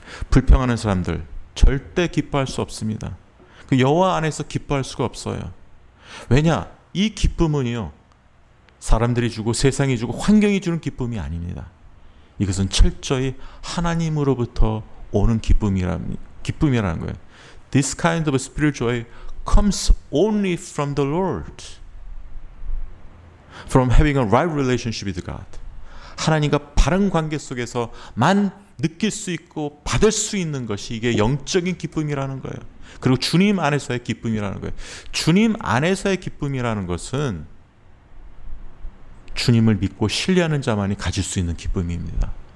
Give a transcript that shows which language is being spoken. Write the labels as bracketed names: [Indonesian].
[Korean] 불평하는 사람들 절대 기뻐할 수 없습니다. 그 여호와 안에서 기뻐할 수가 없어요. 왜냐? 이 기쁨은요, 사람들이 주고 세상이 주고 환경이 주는 기쁨이 아닙니다. 이것은 철저히 하나님으로부터 오는 기쁨이라는 거예요. [English] This kind of spiritual joy comes only from the Lord. From having a right relationship with God. [Korean] 하나님과 바른 관계 속에서만 느낄 수 있고 받을 수 있는 것이 이게 영적인 기쁨이라는 거예요. 그리고 주님 안에서의 기쁨이라는 거예요. 주님 안에서의 기쁨이라는 것은 주님을 믿고 신뢰하는 자만이 가질 수 있는 기쁨입니다.